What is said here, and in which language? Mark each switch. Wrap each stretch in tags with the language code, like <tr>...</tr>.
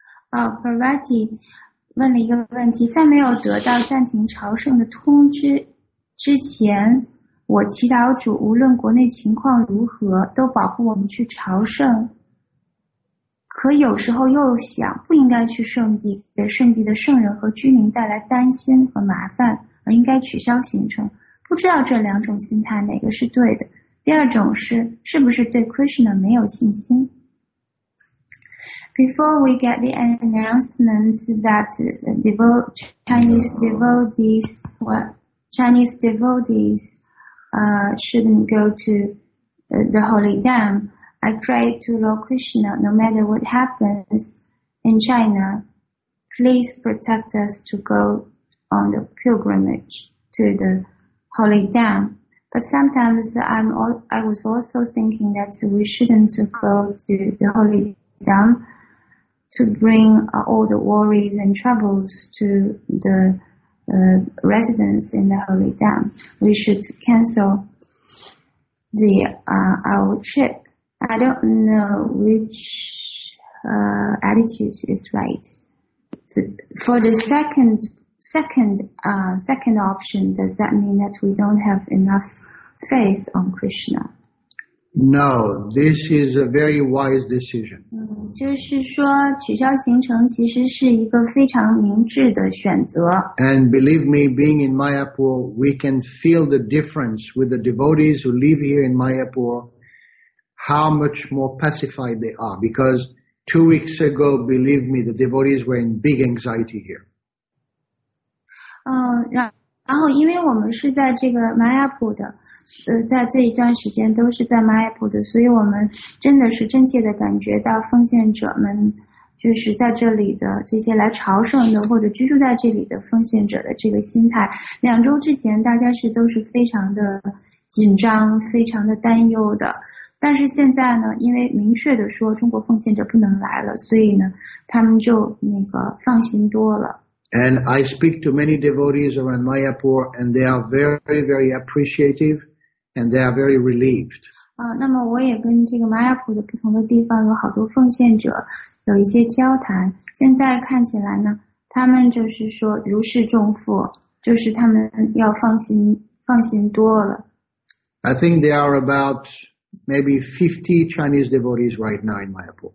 <zh>Parvati问了一个问题，在没有得到暂停朝圣的通知之前，我祈祷主无论国内情况如何都保护我们去朝圣，可有时候又想不应该去圣地，给圣地的圣人和居民带来担心和麻烦，而应该取消行程，不知道这两种心态哪个是对的。第二种是不是对 Krishna 没有信心？</zh> <en>Before we get the announcement that Chinese devotees shouldn't go to the holy dam, I pray to Lord Krishna, no matter what happens in China, please protect us to go on the pilgrimage to the holy dam. But sometimes I was also thinking that we shouldn't go to the holy dam. To bring all the worries and troubles to the residents in the Holy Dam, we should cancel the our trip. I don't know which attitude is right. For the second option, does that mean that we don't have enough faith on Krishna? No, this is a very wise decision.</en> <zh>就是说取消行程其实是一个非常明智的选择。</zh> <en>And believe me, being in Mayapur, we can feel the difference with the devotees who live here in Mayapur, how much more pacified they are. Because 2 weeks ago, believe me, the devotees were in big anxiety here.</en> <zh>然后因为我们是在这个玛雅普的在这一段时间都是在玛雅普的，所以我们真的是真切的感觉到奉献者们就是在这里的这些来朝圣的或者居住在这里的奉献者的这个心态。两周之前大家是都是非常的紧张非常的担忧的，但是现在呢，因为明确的说中国奉献者不能来了，所以呢他们就那个放心多了。</zh> <en>And I speak to many devotees around Mayapur, and they are very, very appreciative, and they are very relieved.</en> <zh>那么我也跟这个 Mayapur 的不同的地方有好多奉献者有一些交谈。现在看起来呢，他们就是说如释重负，就是他们要放心多了。</zh> <en>I think there are about maybe 50 Chinese devotees right now in Mayapur.</en>